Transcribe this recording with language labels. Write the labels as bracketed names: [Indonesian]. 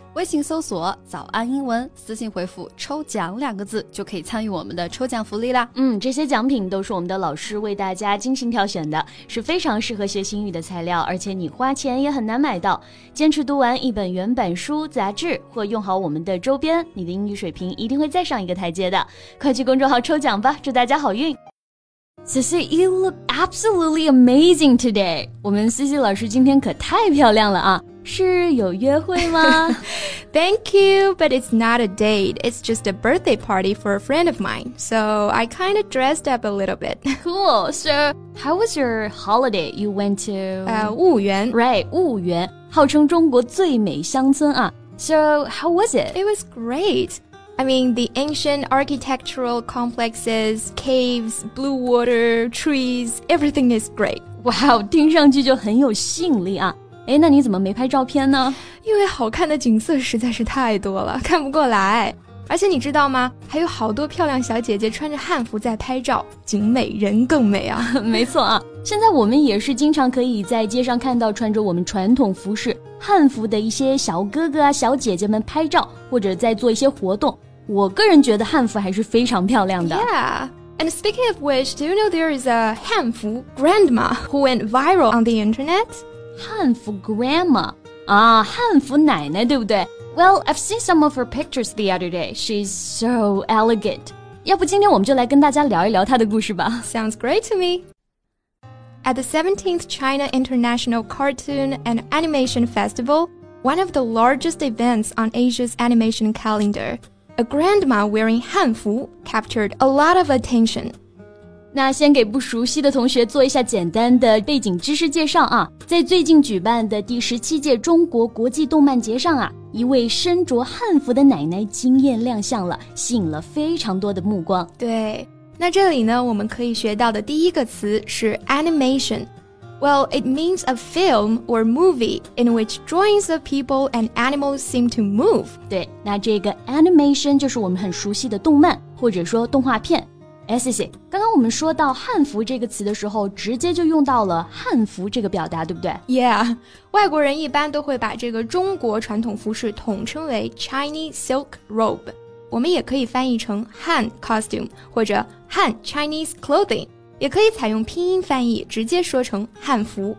[Chinese] 微信搜索早安英文，私信回复抽奖两个字，就可以参与我们的抽奖福利啦。嗯，这些奖品都是我们的老师为大家精心挑选的，是非常适合学习英语的材料，而且你花钱也很难买到。坚持读完一本原版书、杂志或用好我们的周边，你的英语水平一定会再上一个台阶的。快去公众号抽奖吧，祝大家好运。 [English] Cici, you look absolutely amazing today. [Chinese] 我们 Cici 老师今天可太漂亮了啊。是有约会吗 [English] Thank you, but it's not a date. It's just a birthday party for a friend of mine. So I kind of dressed up a little bit. Cool. So how was your holiday? You went to... [Chinese] 婺源 [English] Right, [Chinese] 婺源号称中国最美乡村啊。 [English] So how was it? It was great. I mean, the ancient architectural complexes, caves, blue water, trees, everything is great. Wow, [Chinese] 听上去就很有吸引力啊。诶，那你怎么没拍照片呢？因为好看的景色实在是太多了，看不过来。而且你知道吗？还有好多漂亮小姐姐穿着汉服在拍照，景美人更美啊。没错啊，现在我们也是经常可以在街上看到穿着我们传统服饰汉服的一些小哥哥啊、小姐姐们拍照，或者在做一些活动。我个人觉得汉服还是非常漂亮的。 [English] Yeah, and speaking of which, do you know there is a 汉服 grandma who went viral on the internet? [Chinese] 汉服 grandma? 啊，汉服奶奶，对不对？ [English] Well, I've seen some of her pictures the other day. She's so elegant. [Chinese] 要不今天我们就来跟大家聊一聊她的故事吧。 [English] Sounds great to me. At the 17th China International Cartoon and Animation Festival, one of the largest events on Asia's animation calendar, a grandma wearing 汉服 captured a lot of attention. [Chinese] 那先给不熟悉的同学做一下简单的背景知识介绍啊，在最近举办的第17届中国国际动漫节上啊，一位身着汉服的奶奶惊艳亮相了，吸引了非常多的目光。对，那这里呢，我们可以学到的第一个词是 animation。 [English] Well, it means a film or movie in which drawings of people and animals seem to move. [Chinese] 对，那这个 animation 就是我们很熟悉的动漫，或者说动画片。哎，谢谢。刚刚我们说到汉服这个词的时候，直接就用到了汉服这个表达，对不对？ [English] Yeah， [Chinese] 外国人一般都会把这个中国传统服饰统称为 [English] Chinese silk robe， [Chinese] 我们也可以翻译成汉 costume 或者汉 [English] Chinese clothing， [Chinese] 也可以采用拼音翻译，直接说成汉服。